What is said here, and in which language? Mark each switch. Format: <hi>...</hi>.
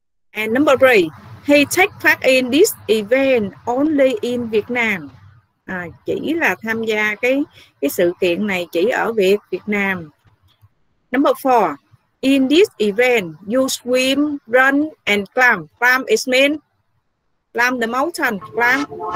<en>And number three, he take part in this event only in Vietnam.</en> <vi>À, chỉ là tham gia cái sự kiện này chỉ ở Việt Nam.</vi> <en>Number four, in this event, you swim, run and climb. Climb is mean? Climb the mountain, climb.</en>